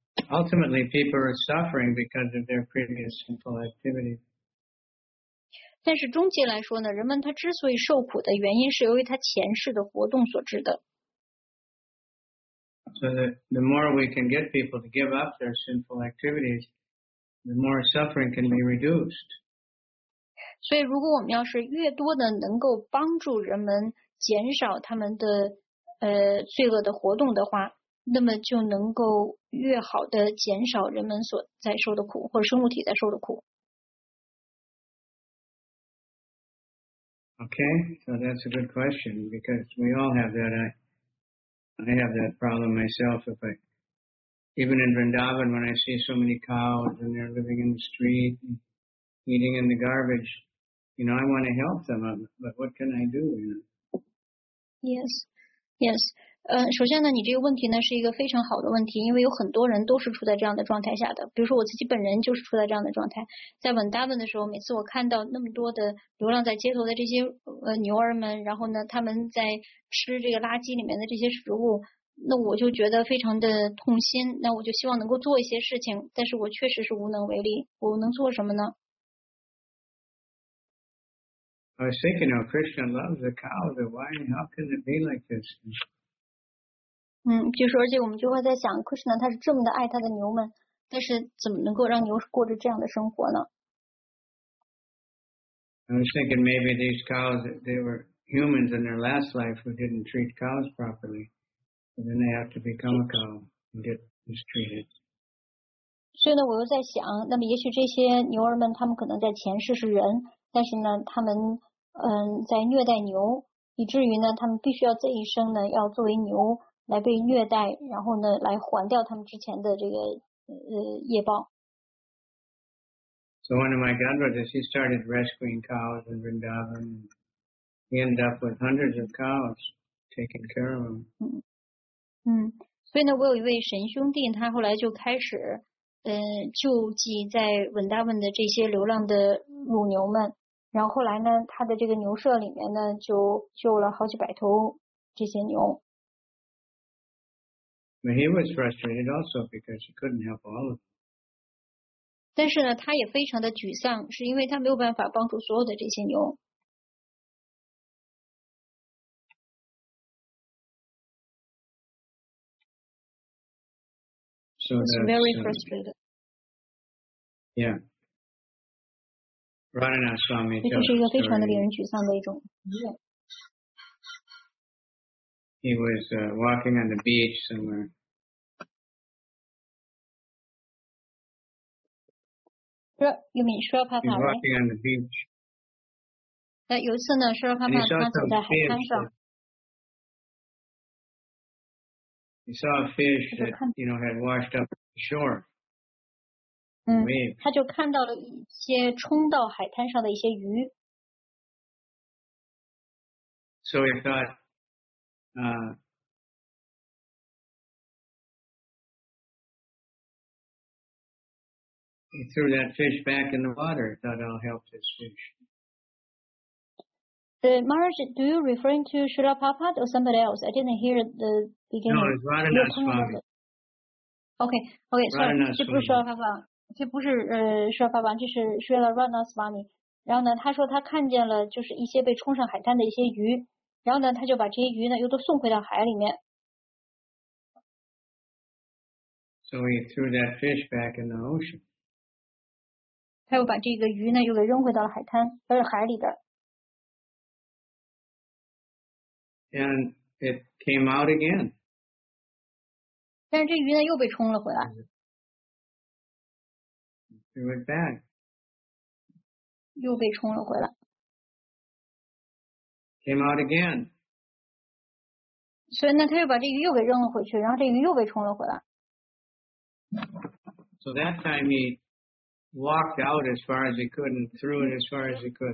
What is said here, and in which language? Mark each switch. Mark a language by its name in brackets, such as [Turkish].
[English] Ultimately, people are suffering because of their previous sinful activity. [Chinese] 但是终极来说呢，人们他之所以受苦的原因是由于他前世的活动所致的。 [English] So the more we can get people to give up their sinful activities, the more suffering can be reduced. [Chinese] 所以如果我们要是越多的能够帮助人们减少他们的罪恶的活动的话，那么就能够越好的减少人们所在受的苦，或者生物体在受的苦。 [English] Okay, so that's a good question because we all have that. I have that problem myself. If I, even in Vrindavan, when I see so many cows and they're living in the street, eating in the garbage, you know, I want to help them, but what can I do? You know? Yes, yes. [Chinese] 首先呢你这个问题呢是一个非常好的问题，因为有很多人都是处在这样的状态下的，比如说我自己本人就是处在这样的状态。在稳大问的时候，每次我看到那么多的流浪在街头的这些牛儿们，然后呢他们在吃这个垃圾里面的这些食物，那我就觉得非常的痛心，那我就希望能够做一些事情，但是我确实是无能为力，我能做什么呢？ [English] I was thinking, you know, Krishna loves the cows, why, how can it be like this? [Chinese] 就是而且我们就会在想 Krishna 他是这么的爱他的牛们，但是怎么能够让牛过着这样的生活呢？ [English] I was thinking maybe these cows, they were humans in their last life who didn't treat cows properly, and then they have to become a cow and get mistreated. [Chinese] 所以呢我又在想，那么也许这些牛儿们他们可能在前世是人，但是呢他们在虐待牛，以至于呢他们必须要这一生呢要作为牛来被虐待，然后呢来还掉他们之前的这个业报。 [English] So one of my godbrothers, he started rescuing cows in Vrindavan. He ended up with hundreds of cows taking care of them. [Chinese] 所以呢我有一位神兄弟，他后来就开始救济在Vrindavan的这些流浪的乳牛们，然后后来呢他的这个牛舍里面呢就救了好几百头这些牛。 [English] But he was frustrated also because he couldn't help all of them. [Chinese] 但是呢他也非常的沮丧，是因为他没有办法帮助所有的这些牛。 [English] So that's very frustrated. Yeah. Radhana Swami, [Chinese] 这是一个非常的令人沮丧的一种音乐。 [English] He was walking on the beach somewhere. You mean Shrapapa? He's walking on the beach. [Chinese] 有一次呢 Shrapapa 他走在海滩上。 [English] He saw a fish that, you know, had washed up shore. [Chinese] 他就看到了一些冲到海滩上的一些鱼。 [English] So he thought, he threw that fish back in the water. Thought I'll help this fish. The Maharaj, do you referring to Srila Prabhupada or somebody else? I didn't hear the beginning. No, it's Radhana Swami. Okay, okay, sorry. This is Srila Prabhupada. This is not Srila Prabhupada. This is Srila Radhana Swami. [Chinese] 然后呢，他说他看见了就是一些被冲上海滩的一些鱼。然后呢，他就把这些鱼呢又都送回到海里面。 [English] So he threw that fish back in the ocean. [Chinese] 他又把这个鱼呢又给扔回到了海滩，海里的。 [English] And it came out again. [Chinese] 但是这鱼呢又被冲了回来。 [English] Threw it back. [Chinese] 又被冲了回来。 [English] Came out again. [Chinese] 所以呢，他又把这鱼又给扔了回去，然后这鱼又被冲了回来。 [English] So that time he walked out as far as he could and threw it as far as he could.